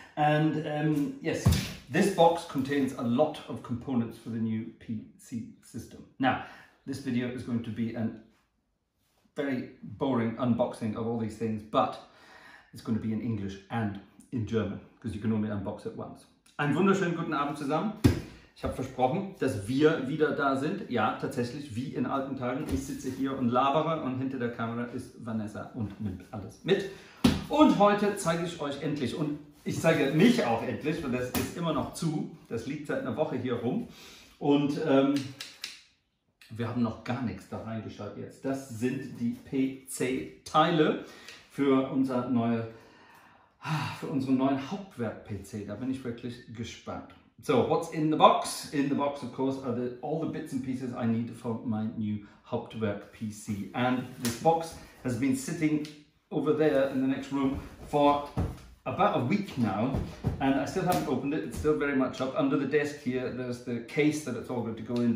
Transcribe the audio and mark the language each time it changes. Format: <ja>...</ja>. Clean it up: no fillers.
<en>And yes, this box contains a lot of components for the new PC system. Now, this video is going to be a very boring unboxing of all these things, but it's going to be in English and in German, because you can only unbox it once.</en> <de>Einen wunderschönen guten Abend zusammen. Ich habe versprochen, dass wir wieder da sind. Ja, tatsächlich, wie in alten Tagen. Ich sitze hier und labere und hinter der Kamera ist Vanessa und nimmt alles mit. Und heute zeige ich euch endlich, und ich zeige mich auch endlich, weil das ist immer noch zu. Das liegt seit einer Woche hier rum. Und wir haben noch gar nichts da reingeschaut jetzt. Das sind die PC-Teile für unser unseren neuen Hauptwerk-PC. Da bin ich wirklich gespannt.</de> <en>So, what's in the box? In the box, of course, are all the bits and pieces I need for my new Hauptwerk PC. And this box has been sitting over there in the next room for about a week now. And I still haven't opened it. It's still very much up. Under the desk here, there's the case that it's all going to go in.</en>